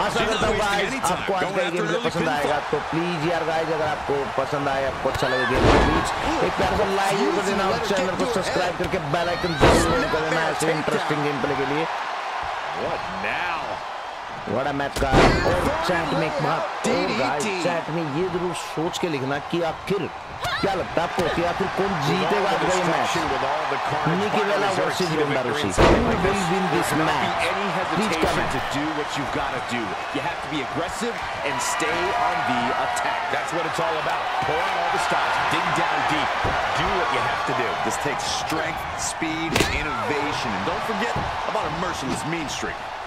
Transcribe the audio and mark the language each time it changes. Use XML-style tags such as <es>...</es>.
<en>She knows he's getting tough. Going after the lead. So please, guys, if you like it, if you like it, please. If you like it, you can like our channel. Subscribe and hit the bell icon. Interesting gameplay. What now? What a match, guys. Oh, chat me. Oh, guys, chat me. You have to think about this. What do you think?</en> <hi>क्या लगता है आपको कि आखिर कौन जीतेगा इस match? निकी बेला versus रोंडा रूसी।</hi> <en>Who will win this match? Please comment. To do what you've got to do, you have to be aggressive and stay on the attack. That's what it's all about. Pulling all the stops, dig down deep, do what you have to do. This takes strength, speed, innovation, and don't forget about a merciless mean streak.</en>